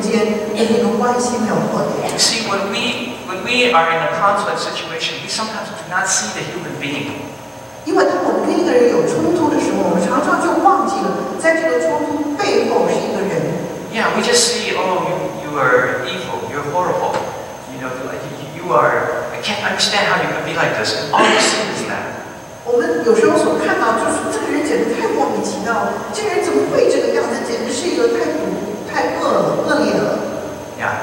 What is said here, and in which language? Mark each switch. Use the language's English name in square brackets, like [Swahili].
[Chinese] 没有多久，以后警察就说，Ashley所做的正事，他最需要做的就是他跟这个人中间那个关系没有破裂。 [English] You see, when we are in a conflict situation, we sometimes do not see the human being. [Chinese] 因为当我们跟一个人有冲突的时候，我们常常就忘记了，在这个冲突背后是一个人。 [English] Yeah, we just see, oh, you are evil, you're horrible. You know, you are. I can't understand how you could be like this. All we see is that. [Chinese] 我们有时候所看到，就是这个人简直太莫名其妙了，这个人怎么会这个样子？简直是一个太恶劣了。 [English] Yeah,